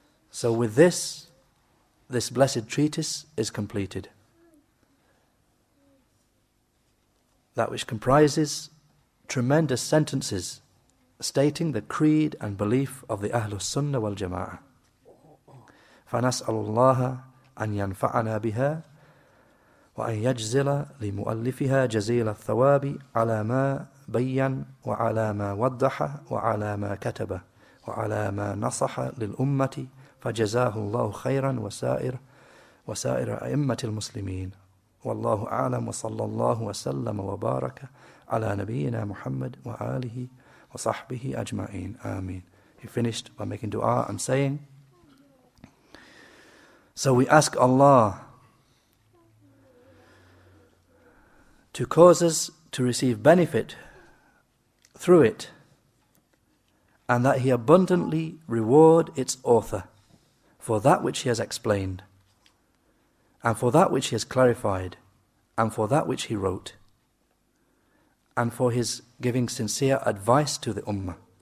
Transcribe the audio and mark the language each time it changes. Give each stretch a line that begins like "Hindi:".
English: So with this blessed treatise is completed. That which comprises tremendous sentences stating the creed and belief of the Ahlus Sunnah wal Jama'ah.
Arabic: فَنَسْأَلُ اللَّهَ أَنْ يَنْفَعَنَا بِهَا وَأَنْ يَجْزِلَ لِمُؤَلِّفِهَا جَزِيلَ الثَّوَابِ عَلَى مَا بَيَّنَ وَعَلَى مَا وَضَّحَ وَعَلَى مَا كَتَبَ وَعَلَى مَا نَصَحَ لِلْأُمَّةِ فجزاه الله خيرا وسائر أئمة المسلمين والله أعلم وصلى الله وسلم وبارك على نبينا محمد وآله وصحبه أجمعين آمين.
English: He finished by making dua and saying, so we ask Allah to cause us to receive benefit through it and that He abundantly reward its author for that which he has explained, and for that which he has clarified, and for that which he wrote, and for his giving sincere advice to the Ummah.